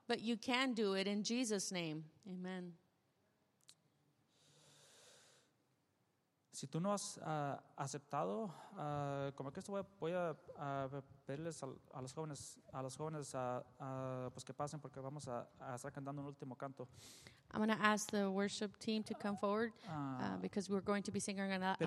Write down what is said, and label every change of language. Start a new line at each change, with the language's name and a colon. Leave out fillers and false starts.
English: But you can do it in Jesus' name. Amen.
Spanish: Si tú no has aceptado, como que esto voy a pedirles a los jóvenes pues que pasen porque vamos a estar cantando un último canto.
English: I'm going to ask the worship team to come forward because we're going to be singing our last song.